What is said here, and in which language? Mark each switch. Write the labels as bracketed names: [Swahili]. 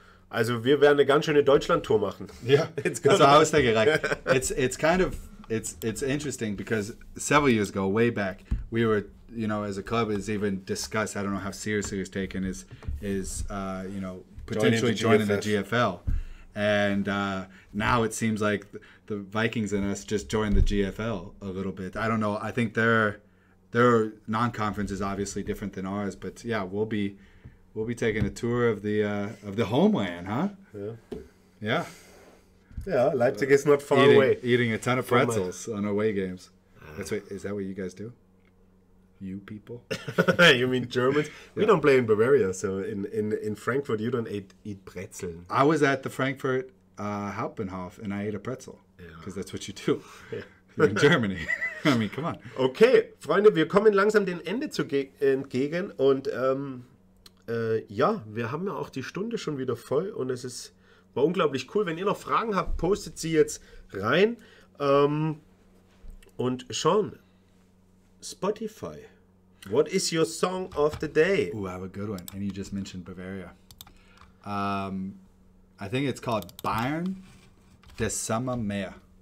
[German] Also wir werden eine ganz schöne Deutschland-Tour machen. [English] Yeah. That's what I was thinking. Like, it's interesting because several years ago, way back, we were, you know, as a club, is even discussed. I don't know how seriously it was taken. Is potentially joining the GFL. And now it seems like the Vikings and us just joined the GFL a little bit. I don't know. I think their non-conference is obviously different than ours. But yeah, we'll be taking a tour of the homeland, huh? Yeah. Yeah. Yeah. Leipzig is not far away. Eating a ton of pretzels on away games. That's what you guys do. You people. You mean Germans? Yeah. We don't play in Bavaria, so in Frankfurt you don't eat pretzel. I was at the Frankfurt Hauptbahnhof and I ate a pretzel. Because that's what you do. Yeah. You're in Germany. I mean, come on. [German] Okay, Freunde, wir kommen langsam dem Ende entgegen. Und ja, wir haben ja auch die Stunde schon wieder voll. Und es ist war unglaublich cool. Wenn ihr noch Fragen habt, postet sie jetzt rein. [English] Und Sean, Spotify, what is your song of the day? Ooh, I have a good one. And you just mentioned Bavaria. I think it's called Bayern. Des Sommer Meer.